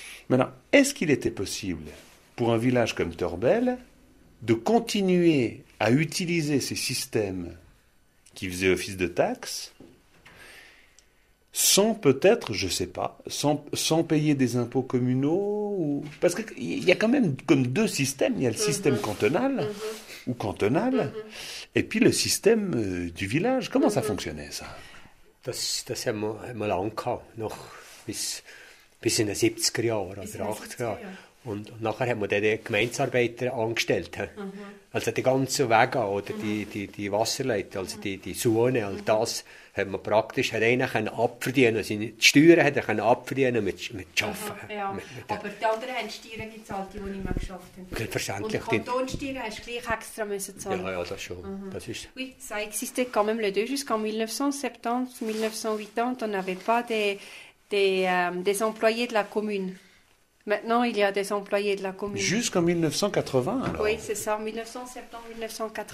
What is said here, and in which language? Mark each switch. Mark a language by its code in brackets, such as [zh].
[fr] Maintenant, est-ce qu'il était possible pour un village comme Torbel de continuer à utiliser ces systèmes qui faisaient office de taxes sans peut-être, je sais pas, sans payer des impôts communaux ou... Parce qu'il y a quand même comme deux systèmes. Il y a le système cantonal ou cantonal et puis le système du village. Comment ça fonctionnait, ça? [de] Das haben wir lange gehabt, noch bis in den 70er Jahren oder 80er Jahren. Und nachher haben wir die Gemeindearbeiter angestellt. Also die ganzen Wege oder die Wasserleiter, also die Zone, all das hat man praktisch, hat einer können abverdienen, also die Steuern hat er können abverdienen mit Arbeiten. Ja, aber die anderen haben Steuern gezahlt, die nicht mehr geschafft haben. Selbstverständlich. Und die Kantonsteuern hast du gleich extra müssen zahlen. Ja, das schon. Das ist... [fr] Oui, ça existait quand même les deux, jusqu'en 1970, 1980, on n'avait pas des employés de la commune. Maintenant, il y a des employés de la commune. Jusqu'en 1980, alors? Oui, c'est ça, 1970-1980.